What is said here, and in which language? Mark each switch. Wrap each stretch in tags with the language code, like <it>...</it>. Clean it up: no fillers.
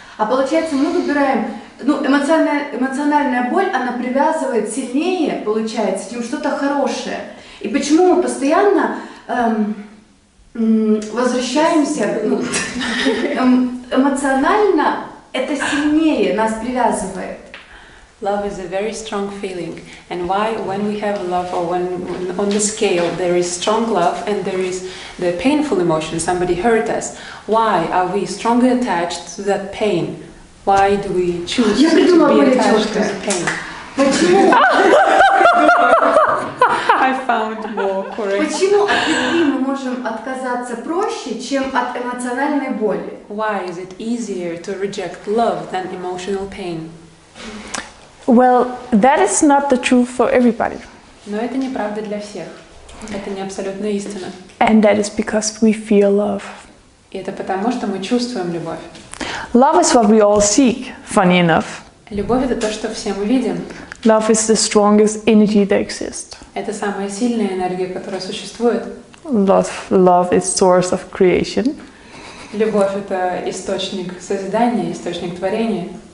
<ru>А получается мы выбираем. Ну, эмоциональная боль, она привязывает сильнее, получается, чем что-то хорошее. И почему мы постоянно возвращаемся, ну, эмоционально это сильнее нас привязывает.</ru> <en>Love is a very strong feeling. And why, when we have love, or when on the scale there is strong love and there is the painful emotion, somebody hurt us, why are we strongly attached to that pain? Why do we choose to be attached to pain?</en> <ru>Почему?</ru> <en>I found more correct.</en> <ru>Почему от любви мы можем отказаться проще, чем от эмоциональной боли?</ru> <en>Why is it easier to reject love than emotional pain? Well, that is not the truth for everybody.</en> <ru>Но это не правда для всех. Это не абсолютная истина.</ru> <en>And that is because we feel love.</en> <ru>И это потому, что мы чувствуем любовь.</ru> <en>Love is what we all seek, funny enough.</en> <ru>Любовь это то, что все мы видим.</ru> <en>Love is the strongest energy that exists.</en> <ru>Это самая сильная энергия, которая существует.</ru> <en>Love is source of creation.</en> <ru>Любовь это источник созидания, источник творения.</ru>